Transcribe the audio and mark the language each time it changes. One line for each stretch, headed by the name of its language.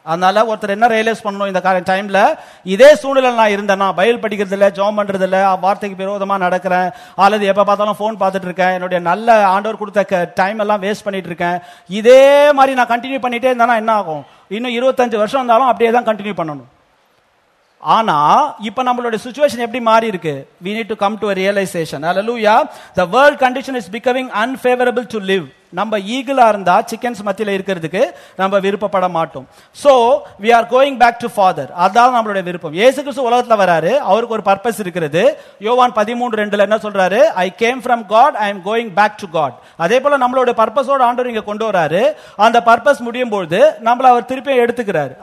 Tamil: அதனால ஒருத்தர் என்ன ரியலைஸ் பண்ணணும், இந்த டைம்ல இதே சூழ்நிலை நான் இருந்தேன்னா, பைபிள் படிக்கிறதில்ல, ஜாப் பண்றதில்ல, வார்த்தைக்கு விரோதமா நடக்கிறேன், அல்லது எப்ப பார்த்தாலும் போன் பார்த்துட்டு இருக்கேன், என்னுடைய நல்ல ஆண்டவர் கொடுத்த டைம் எல்லாம் வேஸ்ட் பண்ணிட்டு இருக்கேன், இதே மாதிரி நான் கண்டினியூ பண்ணிட்டே இருந்தேனா என்ன ஆகும்? இன்னும் 25 வருஷம் இருந்தாலும் அப்படியே தான் கண்டினியூ பண்ணணும். ஆனா இப்ப நம்மளுடைய சிச்சுவேஷன் எப்படி மாறி இருக்கு?
English: We need to come to a realization. Hallelujah. The world condition is becoming unfavorable to live.
Tamil: நம்ம ஈகிளா இருந்தா சிக்கன்ஸ் மத்தியில இருக்கிறதுக்கு நம்ம விருப்பப்பட மாட்டோம்.
English: So we are going back to father.
Tamil: அதான் நம்மளுடைய விருப்பம். இயேசு கிறிஸ்து உலகத்துல வராரு, அவருக்கு ஒரு பர்பஸ் இருக்கிறது. யோவான் 13:2 என்ன சொல்றாரு?
English: I came from God, I am going back to God.
Tamil: அதே போல நம்மளுடைய பர்பஸோட ஆண்டவர் இங்க கொண்டு வராரு. அந்த பர்பஸ் முடியும் பொழுது நம்மள அவர் திருப்பி எடுத்துக்கிறாரு.